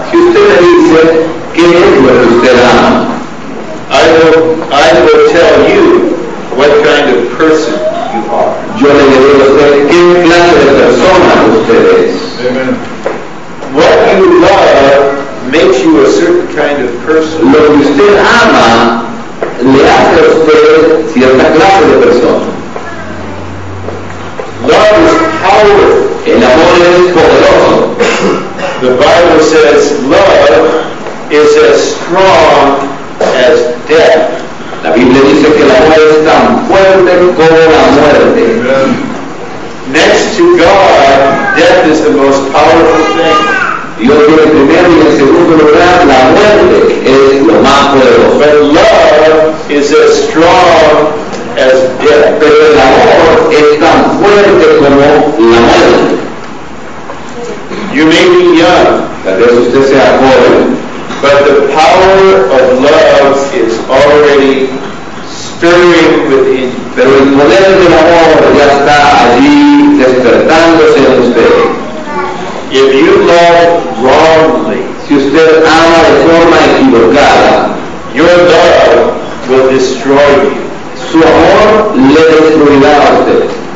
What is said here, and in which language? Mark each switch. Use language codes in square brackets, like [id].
[es] si usted me dice qué es lo que usted ama, [en] I will tell you what kind of person you are. [es] Yo le diré a usted qué clase de persona usted es. [en] Amen. What you love makes you a certain kind of person. person. [es] Lo que usted ama le hace a usted cierta clase de persona. [en] Love is powerful. [es] El amor es poderoso. [en] The Bible says love is as strong as death. [es] La Biblia dice que el amor es tan fuerte como la muerte. [en] Next to God, death is the most powerful thing. [es] Dios tiene primero y en segundo lugar, la muerte es lo más poderoso. [en] But love is as strong as death. [es] Pero el amor es tan fuerte como la muerte. [en] You may be young. [es] Tal vez usted sea joven. [en] But the power of love is already stirring within. [es] Pero el poder del amor ya está allí despertándose en usted. [en] If you love wrongly, [es] si usted ama de forma equivocada, [en] your love will destroy you. [es] Su amor le destruirá a usted.